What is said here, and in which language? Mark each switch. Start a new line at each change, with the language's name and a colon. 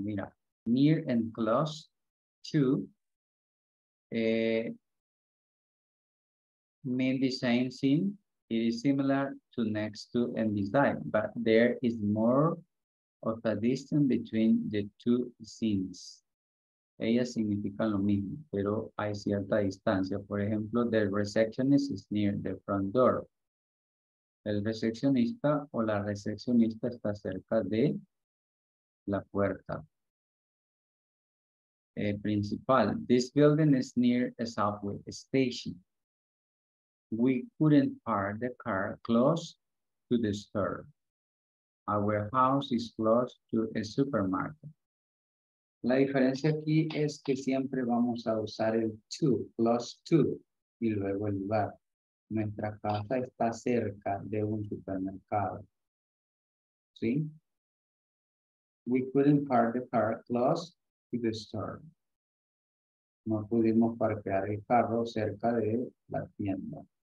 Spanish: Mira,
English: near and close to, mean the same thing. It is similar to next to and beside, but there is more of a distance between the two things.
Spanish: Ellas significan lo mismo, pero hay cierta distancia. Por ejemplo,
English: the receptionist is near the front door.
Spanish: El recepcionista o la recepcionista está cerca de la puerta.
English: Principal, this building is near a subway station. We couldn't park the car close to the store. Our house is close to a supermarket.
Spanish: La diferencia aquí es que siempre vamos a usar el to, close to, y luego el lugar. Nuestra casa está cerca de un supermercado. ¿Sí?
English: We couldn't park the car close to the store.
Spanish: No pudimos parquear el carro cerca de la tienda.